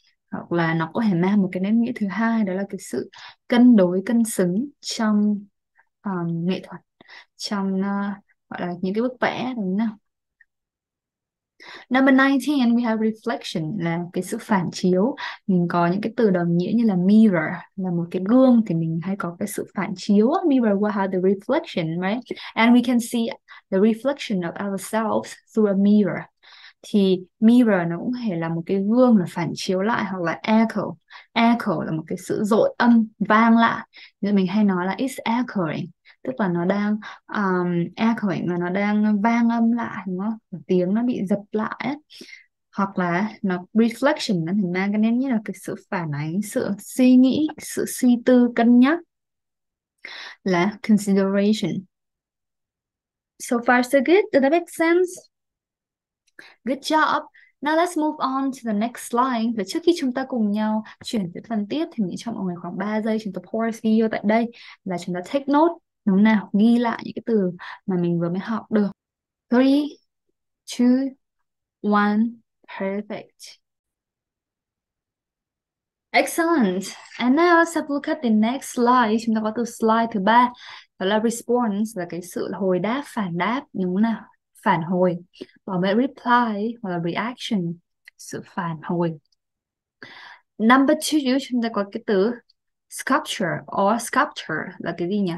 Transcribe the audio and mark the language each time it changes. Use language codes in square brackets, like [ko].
[vi] Hoặc là nó có thể mang một cái nét nghĩa thứ hai, đó là cái sự cân đối, cân xứng trong nghệ thuật, trong gọi là những cái bức vẽ, đúng không? [en] Number 19, we have reflection, [vi] là cái sự phản chiếu. Mình có những cái từ đồng nghĩa như là mirror, là một cái gương, thì mình hay có cái sự phản chiếu. [en] Mirror will have the reflection, right? And we can see the reflection of ourselves through a mirror. [vi] Thì mirror nó cũng thể là một cái gương, là phản chiếu lại, hoặc là echo. Echo là một cái sự dội âm vang lại, như mình hay nói là [en] it's echoing, [vi] tức là nó đang echoing, mà nó đang vang âm lại, đúng không? Tiếng nó bị dập lại ấy. Hoặc là nó reflection, nó thì mang cái nên như là cái sự phản ánh, sự suy nghĩ, sự suy tư, cân nhắc, là consideration. [en] So far so good, does that make sense? Good job. Now let's move on to the next slide. [vi] Và trước khi chúng ta cùng nhau chuyển tới phần tiếp thì mình cho mọi người khoảng 3 giây, chúng ta pause video tại đây và chúng ta take note, đúng nào, ghi lại những cái từ mà mình vừa mới học được. [en] 3, 2, 1, perfect. Excellent. And now let's have a look at the next slide. [vi] Chúng ta có từ slide thứ 3, đó là response, là cái sự hồi đáp, phản đáp, đúng nào, phản hồi. Bảo vệ reply hoặc là reaction, sự phản hồi. Number 2, chúng ta có cái từ sculpture or sculptor, là cái gì nhỉ?